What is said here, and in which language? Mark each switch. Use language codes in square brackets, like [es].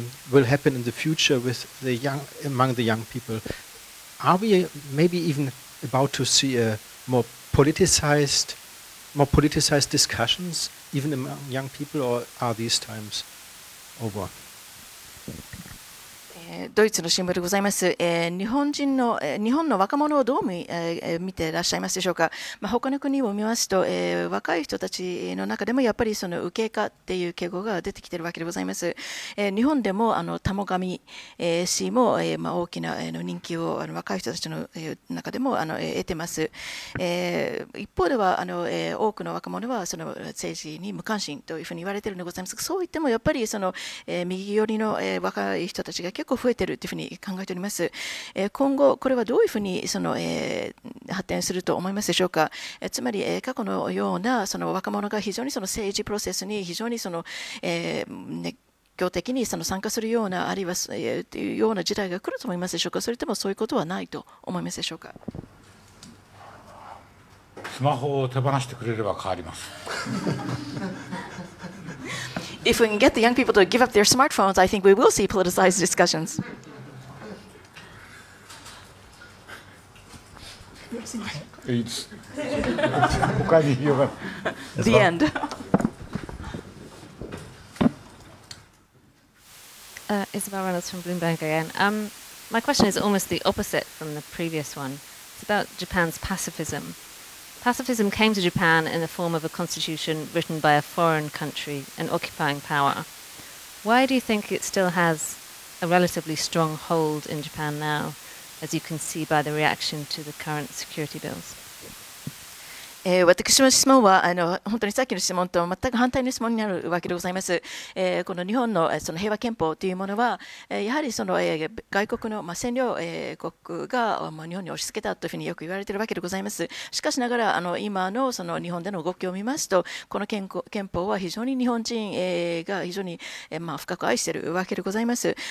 [en] Will happen in the future with the young, among the young people. Are we maybe even about to see a more politicized discussions even among young people, or are these times over? [ja] ドイツの新聞でございます。日本の若者をどう 見ていらっしゃいますでしょうか。まあ、他の国を見ますと、若い人たちの中でもやっぱりその右傾化という傾向が出てきているわけでございます。日本でもあの田母神氏も、まあ、大きな人気をあの若い人たちの中でもあの得てます。一方ではあの多くの若者はその政治に無関心というふうに言われているのでございますが、そう言ってもやっぱりその右寄りの若い人たちが結構構増えているというふうに考えております。今後これはどういうふうにその発展すると思いますでしょうか。つまり過去のようなその若者が非常にその政治プロセスに非常にその熱狂的にその参加するようなあるいはというような時代が来ると思いますでしょうか。それともそういうことはないと思いますでしょうか。スマホを手放してくれれば変わります。 [en] If we can get the young people to give up their smartphones, I think we will see politicized discussions. It's the end. Isabel Reynolds from Bloomberg again. My question is almost the opposite from the previous one. It's about Japan's pacifism. Pacifism came to Japan in the form of a constitution written by a foreign country, an occupying power. Why do you think it still has a relatively strong hold in Japan now, as you can see by the reaction to the current security bills? [ja] 私の質問は本当にさっきの質問と全く反対の質問になるわけでございます。この日本 その平和憲法というものは、やはりその外国の占領国が日本に押し付けたというふうによく言われているわけでございます。しかしながら今 その日本での動きを見ますと、この憲法は非常に日本人が非常に深く愛しているわけでございます。